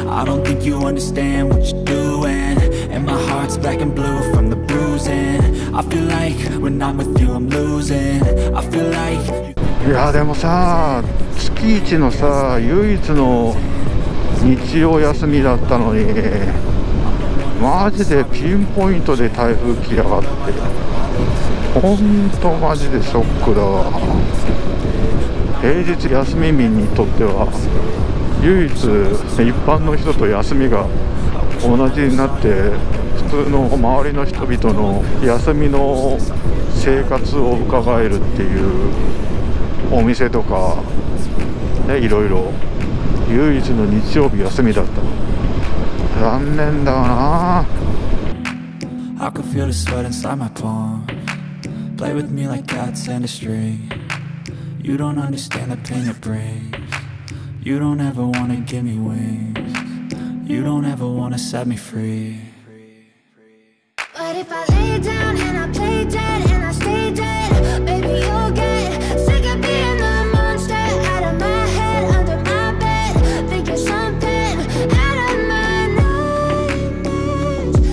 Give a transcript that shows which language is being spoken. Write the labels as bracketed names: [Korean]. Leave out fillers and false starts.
[English] I don't think you understand what you're doing. And my heart's black and blue from the bruising. I feel like when I'm with you I'm losing. I feel like... [Japanese] いやでもさ、月一のさ、唯一の日曜休みだったのに、マジでピンポイントで台風来やがって、本当マジでショックだわ。平日休み民にとっては唯一一般の人と休みが同じになって、普通の周りの人々の休みの生活を伺えるっていうお店とか、ね、いろいろ唯一の日曜日休みだった。残念だな。 [English] I can feel the sweat inside my palmsPlay with me like cats and a string. You don't understand the pain it brings. You don't ever wanna give me wings. You don't ever wanna set me free. But if I lay down and I play dead and I stay dead, baby you'll get sick of being the monster out of my head, under my bed, thinking something out of my nightmares.